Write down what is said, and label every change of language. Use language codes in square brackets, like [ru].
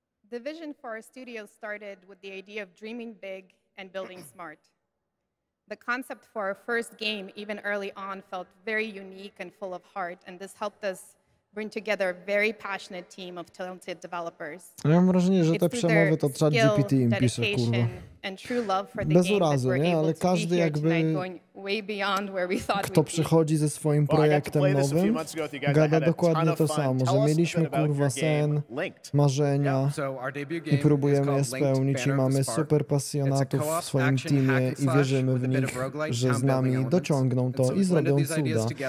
[en] The vision for our studio started with the idea of dreaming big and building smart. The concept for our first game, even early on, felt very unique and full of heart, and this helped us bring together a very passionate team of talented developers. [pl] Ja mam wrażenie, że te przemowy to ChatGPT im pisze, kurwa. [en] and true love for the bez game urazu, that we're able to be here [pl] jakby, [en] tonight, going way beyond where we thought [pl] kto przychodzi ze swoim projektem nowym, gada dokładnie to samo, że mieliśmy kurwa sen, marzenia i próbujemy je spełnić i mamy super pasjonatów w swoim teamie i wierzymy w nich, że z nami dociągną to i zrobią cuda.